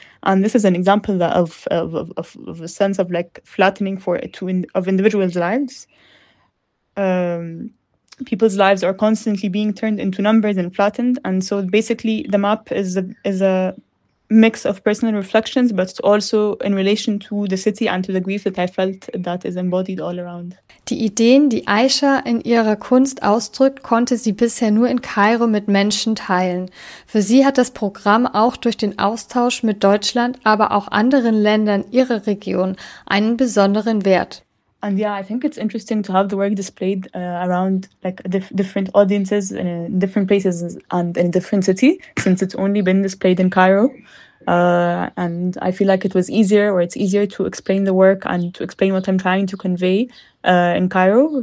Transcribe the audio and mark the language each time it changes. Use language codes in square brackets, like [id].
[en] And this is an example of a sense of like flattening of individuals' lives. People's lives are constantly being turned into numbers and flattened. And so basically the map is a mix of personal reflections, but also in relation to the city and to the grief that I felt that is embodied all around. [de] Die Ideen, die Aisha in ihrer Kunst ausdrückt, konnte sie bisher nur in Kairo mit Menschen teilen. Für sie hat das Programm auch durch den Austausch mit Deutschland, aber auch anderen Ländern ihrer Region einen besonderen Wert. [en] And yeah, I think it's interesting to have the work displayed around like different audiences in different places and in a different city, since it's only been displayed in Cairo. And I feel like it was easier, or it's easier to explain the work and to explain what I'm trying to convey in Cairo.